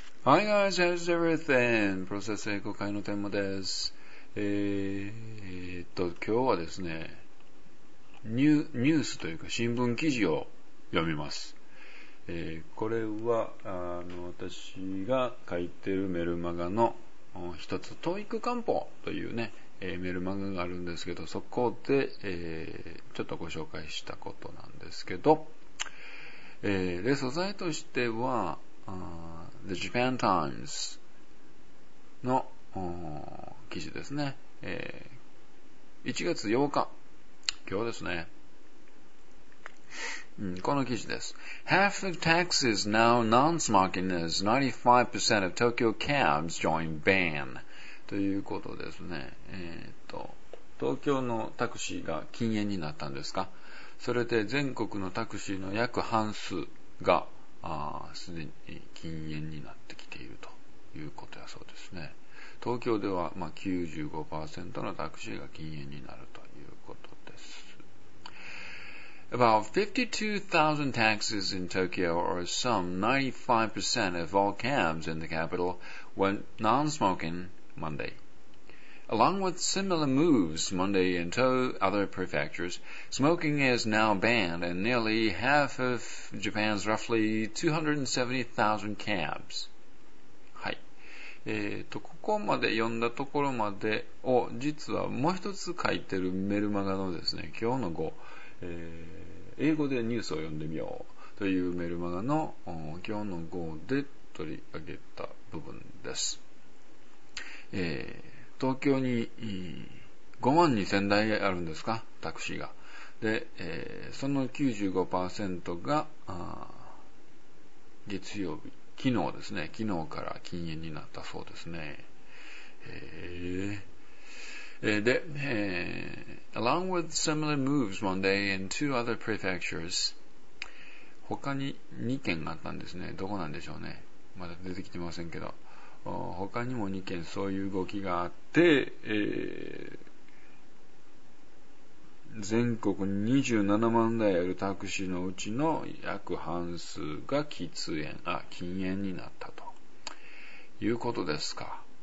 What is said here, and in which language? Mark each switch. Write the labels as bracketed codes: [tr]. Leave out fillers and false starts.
[en] Hi guys, how's everything? [ja] プロセス英語会の天馬です。今日はですね、ニュースというか新聞記事を読みます。これは私が書いてるメルマガの一つ、トイック漢方というね、メルマガがあるんですけど、そこで、ちょっとご紹介したことなんですけど、で素材としてはThe Japan Times の記事ですね。 1月8日、今日ですね。この記事です。 [en] Half of taxis now non-smoking as 95% of Tokyo cabs join ban [ja] ということですね。東京のタクシーが禁煙になったんですか？それで全国のタクシーの約半数がすでに禁煙になってきているということやそうですね。東京では、95% のタクシーが禁煙になるということです。 [en] About 52,000 taxis in Tokyo, or some 95% of all cabs in the capital, went non-smoking Monday. Along with similar moves Monday in two other prefectures, smoking is now banned in nearly half of Japan's roughly 270,000 cabs. [ja] はい。ここまで読んだところまでを、実はもう一つ書いてるメルマガのですね、今日の語、英語でニュースを読んでみようというメルマガの今日の語で取り上げた部分です。東京に5万2000台あるんですか、タクシーが。で、その 95% が月曜日、昨日ですね、昨日から禁煙になったそうですね。 [en] で、Along with similar moves Monday in two other prefectures、 [ja] 他に2件あったんですね。どこなんでしょうね、まだ出てきてませんけど、他にも2件そういう動きがあって、全国27万台あるタクシーのうちの約半数が禁煙になったということですか。